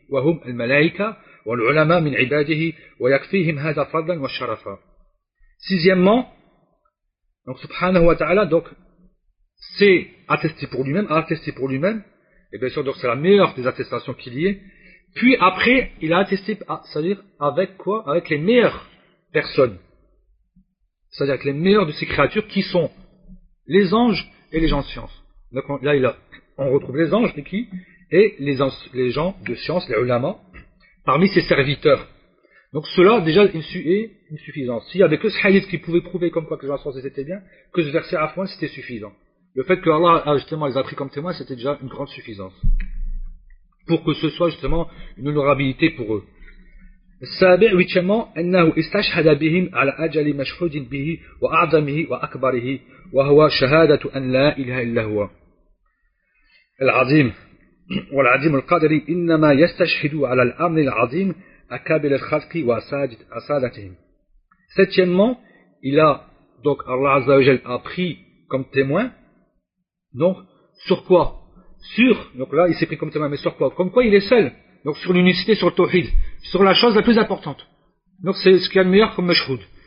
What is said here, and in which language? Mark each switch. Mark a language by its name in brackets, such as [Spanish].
[Arabic] وهم الملائكة والعلماء من عباده ويكفيهم هذا فضلا وشرفا. [French] Sixièmement, donc subhanahu wa ta'ala, donc c'est attesté pour lui-même, et bien sûr, donc c'est la meilleure des attestations qu'il y ait. Puis après, il a attesté, c'est-à-dire avec quoi? Avec les meilleures personnes, c'est-à-dire avec les meilleures de ces créatures qui sont les anges et les gens de science. Donc là, on retrouve les anges, mais qui? Et les gens de science, les ulama, parmi ses serviteurs. Donc cela, déjà, est insuffisant. S'il n'y avait que ce hadith qui pouvait prouver comme quoi que les gens de science étaient bien, que ce verset à point, c'était suffisant. Le fait que Allah justement les a pris comme témoins, c'était déjà une grande suffisance. Pour que ce soit justement une honorabilité pour eux. [Arabic] Sabi' [French] huitièmement, [Arabic] Ennahu istashhada bihim ala ajali mashhudin bihi wa a'zamihi wa akbarihi wa huwa shahadatu an la ilaha illa huwa. Al-Azim. والعظيم القادر إنما يستشهد على الأمر العظيم أكابر الخلق وأسادتهم. [French] Septièmement, il a donc Allah Azza wa Jal a pris comme témoin. Donc sur quoi? Sur, donc là il s'est pris comme témoin, mais sur quoi? Comme quoi il est seul? Donc sur l'unicité, sur le tawhid, sur la chose la plus importante. Donc c'est ce qu'il y a de meilleur comme mashhoud.